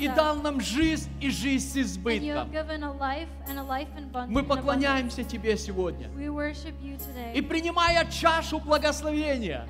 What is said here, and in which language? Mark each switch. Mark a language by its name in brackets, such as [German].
[Russian] И дал нам жизнь и жизнь с избытком. [English] And you have given a life and a life in abundance. [Russian] Мы поклоняемся тебе сегодня. [English] We worship you today. [Russian] И принимая чашу благословения.